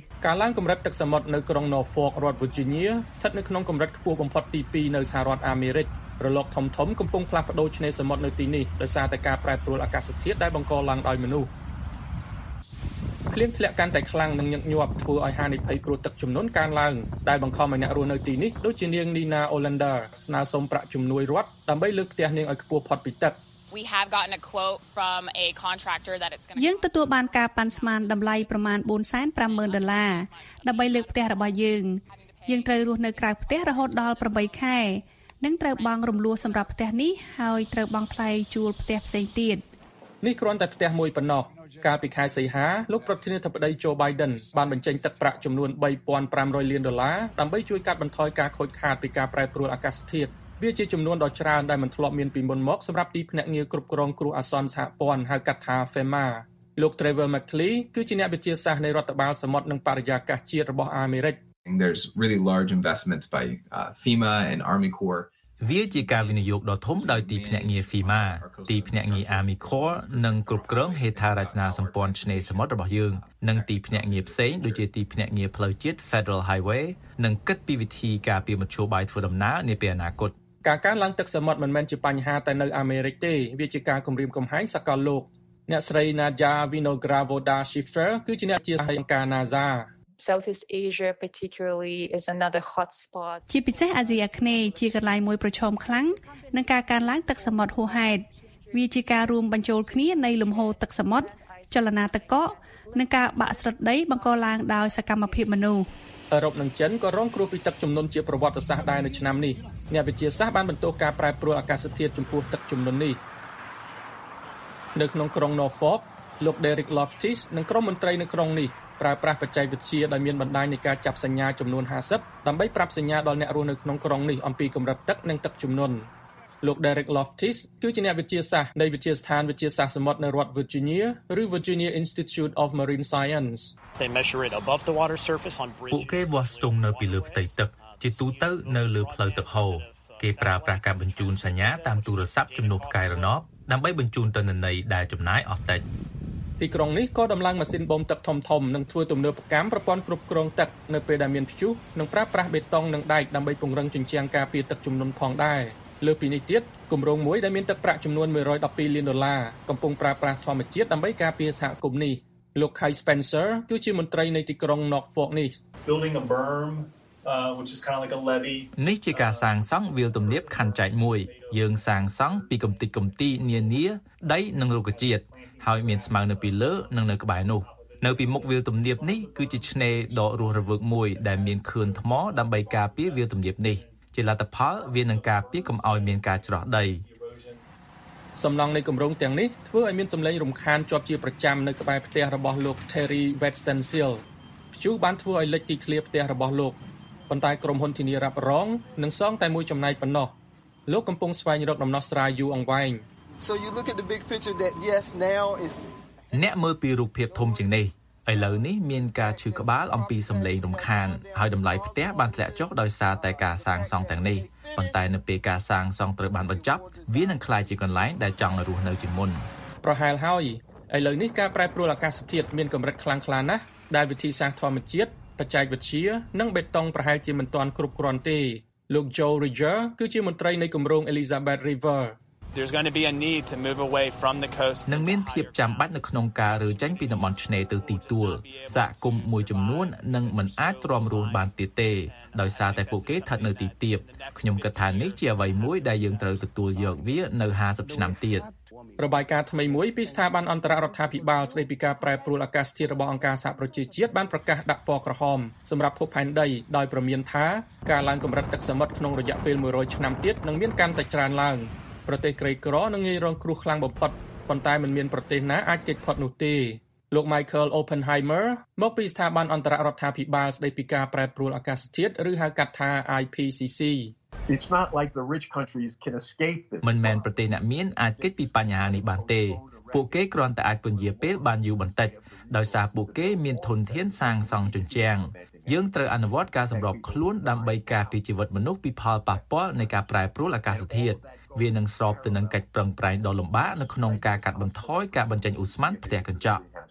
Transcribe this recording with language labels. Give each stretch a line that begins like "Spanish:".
Khmer: ការឡើងកម្រិតទឹកសមុទ្រនៅក្រុង Norfolk រដ្ឋ Virginia ស្ថិតនៅក្នុងកម្រិតខ្ពស់បំផុតទី2នៅសហរដ្ឋអាមេរិករលកធំធំកំពុងផ្លាស់ប្តូរឆ្នេរសមុទ្រនៅទីនេះដោយសារតែការប្រែប្រួលអាកាសធាតុដែលបង្កឡើងដោយមនុស្សភ្លៀងធ្លាក់កាន់តែខ្លាំងនិងញឹកញាប់ធ្វើឲ្យហានិភ័យគ្រោះទឹកជំនន់កើនឡើងដែលបង្ខំឲ្យអ្នករស់នៅទីនេះដូចជានាងនីណាអូឡង់ដាស្នើសុំប្រាក់ជំនួយរដ្ឋដើម្បីលើកផ្ទះនាងឲ្យខ្ពស់ផុតពីទឹក
English: We have gotten a quote from a contractor that it's going
Khmer: to យើងទទួលបានការប៉ាន់ស្មានតម្លៃប្រមាណ450,000ដុល្លារដើម្បីលើកផ្ទះរបស់យើងយើងត្រូវរស់នៅក្រៅផ្ទះរហូតដល់8ខែនិងត្រូវបង់រំលោះសម្រាប់ផ្ទះនេះហើយត្រូវបង់ថ្លៃជួលផ្ទះផ្សេងទៀត នេះគ្រាន់តែផ្ទះមួយប៉ុណ្ណោះកាលពីខែសីហាលោកប្រធានាធិបតី Joe Biden បានបញ្ចេញទឹកប្រាក់ចំនួន3,500លានដុល្លារដើម្បីជួយកាត់បន្ថយការខូចខាតពីការប្រែប្រួលអាកាសធាតុវាជាចំនួនដ៏ច្រើនដែលមិនធ្លាប់មានពីមុនមកសម្រាប់ទីភ្នាក់ងារគ្រប់គ្រងគ្រោះអាសន្នសហព័ន្ធហៅកាត់ថា FEMA លោក Trevor McClee គឺជាអ្នកវិទ្យាសាស្ត្រនៃរដ្ឋបាលសមុទ្រនិងបរិយាកាសជាតិរបស់អាមេរិក
English: There's really large investments by FEMA and Army Corps
Khmer: វាជាការវិនិយោគដ៏ធំដោយទីភ្នាក់ងារ FEMA ទីភ្នាក់ងារ Army Corps និងគ្រប់គ្រងហេដ្ឋារចនាសម្ព័ន្ធឆ្នេរសមុទ្ររបស់យើងនិងទីភ្នាក់ងារផ្សេងដូចជាទីភ្នាក់ងារផ្លូវជាតិ Federal Highway និងគិតពីវិធីការពីមធ្យោបាយធ្វើដំណើរនាពេលអនាគត ការកើនឡើងទឹកសមុទ្រមិនមែនជាបញ្ហាតែនៅអាមេរិកទេវាជាការគំរាមកំហែងសកលលោកអ្នកស្រី Nadia Vinogravoda Schiffer គឺជាអ្នកជាសហការីការ NASA
English: Southeast Asia particularly is another hot spot.
Khmer: ជាពិសេសអាស៊ីអាគ្នេយ៍ជាកន្លែងមួយប្រឈមខ្លាំងនឹងការកើនឡើងទឹកសមុទ្រហួសហេតុ។វាជាការរួមបញ្ចូលគ្នានៃលំហូរទឹកសមុទ្រចលនាទឹកកកនិងការបាក់ស្រុតដីបង្កឡើងដោយសកម្មភាពមនុស្ស ។អឺរ៉ុបនិងចិនក៏រងគ្រោះពីទឹកជំនន់ជាប្រវត្តិសាស្ត្រដែរនៅឆ្នាំនេះ។អ្នកវិទ្យាសាស្ត្របានបន្ទោសការប្រែប្រួលអាកាសធាតុចំពោះទឹកជំនន់នេះ។នៅក្នុងក្រុង Norfolk លោក Derek Loftis និងក្រុមមន្ត្រីនៅក្រុងនេះប្រើប្រាស់បច្ចេកវិទ្យាដែលមានបណ្ដាញនៃការចាប់សញ្ញាចំនួន50ដើម្បីប្រាប់សញ្ញាដល់អ្នករស់នៅក្នុងក្រុងនេះអំពីកម្រិតទឹកនិងទឹកជំនន់លោក Derek Loftis គឺជាអ្នកវិទ្យាសាស្ត្រនៃវិទ្យាស្ថានវិទ្យាសាស្ត្រសមុទ្រនៅរដ្ឋ Virginia ឬ Virginia Institute of Marine Science
English: They measure it above the water surface on bridges
Khmer: ពួកគេវាស់ស្ទង់នៅពីលើផ្ទៃទឹកជាទូទៅនៅលើផ្លូវទឹកហូរគេប្រើប្រាស់ការបញ្ជូនសញ្ញាតាមទូរស័ព្ទជំនួសផ្កាយរណបដើម្បីបញ្ជូនទៅនន័យដែលចំណាយអស់តិច ទីក្រុងនេះក៏ដំឡើងម៉ាស៊ីនបូមទឹកធំៗនិងធ្វើទំនើបកម្មប្រព័ន្ធគ្រប់គ្រងទឹកនៅពេលដែលមានព្យុះនិងប្រើប្រាស់បេតុងនិងដែកដើម្បីពង្រឹងជញ្ជាំងការពារទឹកជំនន់ផងដែរលើពីនេះទៀតគម្រោងមួយដែលមានទឹកប្រាក់ចំនួន112លានដុល្លារកំពុងប្រើប្រាស់ធម្មជាតិដើម្បីការពារសហគមន៍នេះលោក Kai Spencer គឺជាមន្ត្រីនៃទីក្រុង Norfolk នេះ
English: Building a berm which is kind of like a levee
Khmer: នេះជាការសាងសង់វាលទំនាបខណ្ឌចែកមួយយើងសាងសង់ពីកំទេចកំទីនានាដីនិងរុក្ខជាតិហើយមានស្មៅនៅពីលើនិងនៅក្បែរនោះនៅពីមុខវាលទំនាបនេះគឺជាឆ្នេរដ៏រស់រវើកមួយដែលមានខឿនថ្មដើម្បីការពារវាលទំនាបនេះជាលទ្ធផលវានឹងការពារកុំឲ្យមានការច្រោះដី សំណង់នៃគម្រោងទាំងនេះធ្វើឲ្យមានសម្លេងរំខានជាប់ជាប្រចាំនៅក្បែរផ្ទះរបស់លោក Terry Westensiel ព្យុះបានធ្វើឲ្យលិចទីធ្លាផ្ទះរបស់លោកប៉ុន្តែក្រុមហ៊ុនធានារ៉ាប់រងនឹងសងតែមួយចំណែកប៉ុណ្ណោះលោកកំពុងស្វែងរកដំណោះស្រាយយូរអង្វែង
English: So you look at the big picture that yes now is
Khmer: អ្នកមើលពីរូបភាពធំជាងនេះឥឡូវនេះមានការឈឺក្បាលអំពីសម្លេងរំខានហើយតម្លៃផ្ទះបានធ្លាក់ចុះដោយសារតែការសាងសង់ទាំងនេះប៉ុន្តែនៅពេលការសាងសង់ត្រូវបានបញ្ចប់វានឹងក្លាយជាកន្លែងដែលចង់រស់នៅជាមុន ប្រហែលហើយឥឡូវនេះការប្រែប្រួលអាកាសធាតុមានកម្រិតខ្លាំងខ្លាណាស់ដែលវិធីសាស្ត្រធម្មជាតិបច្ចេកវិទ្យានិងបេតុងប្រហែលជាមិនទាន់គ្រប់គ្រាន់ទេលោក Joe Ridger គឺជាមន្ត្រីនៃគម្រោង Elizabeth River
English: There's going to be a need to move away from the coast.
Khmer: នឹងមានភាពចាំបាច់នៅក្នុងការរើចេញពីតំបន់ឆ្នេរទៅទីទួលសហគមន៍មួយចំនួននឹងមិនអាចទ្រាំរស់បានទៀតទេដោយសារតែពួកគេស្ថិតនៅទីទាបខ្ញុំគិតថានេះជាអ្វីមួយដែលយើងត្រូវទទួលយកវានៅ50ឆ្នាំទៀត របាយការណ៍ថ្មីមួយពីស្ថាប័នអន្តររដ្ឋាភិបាលស្តីពីការប្រែប្រួលអាកាសធាតុរបស់អង្គការសហប្រជាជាតិបានប្រកាសដាក់ពណ៌ក្រហមសម្រាប់ភពផែនដីដោយព្រមានថាការឡើងកម្រិតទឹកសមុទ្រក្នុងរយៈពេល100ឆ្នាំទៀតនឹងមានកាន់តែច្រើនឡើងប្រទេសក្រីក្រនឹងងាយរងគ្រោះខ្លាំងបំផុតប៉ុន្តែមិនមានប្រទេសណាអាចគេចផុតនោះទេលោក Michael Oppenheimer មកពីស្ថាប័នអន្តររដ្ឋាភិបាលស្ដីពីការប្រែប្រួលអាកាសធាតុឬហៅកាត់ថា IPCC
English: It's not like the rich countries can escape this
Khmer: មិនមែនប្រទេសណាមានអាចគេចពីបញ្ហានេះបានទេពួកគេគ្រាន់តែអាចពន្យារពេលបានយូរបន្តិចដោយសារពួកគេមានធនធានសាងសង់ជញ្ជាំងយើងត្រូវអនុវត្តការសម្របខ្លួនដើម្បីការពារជីវិតមនុស្សពីផលប៉ះពាល់នៃការប្រែប្រួលអាកាសធាតុវានឹងស្របទៅនឹងកិច្ចប្រឹងប្រែងដ៏លំបាកនៅក្នុងការកាត់បន្ថយការបញ្ចេញឧស្ម័នផ្ទះកញ្ចក់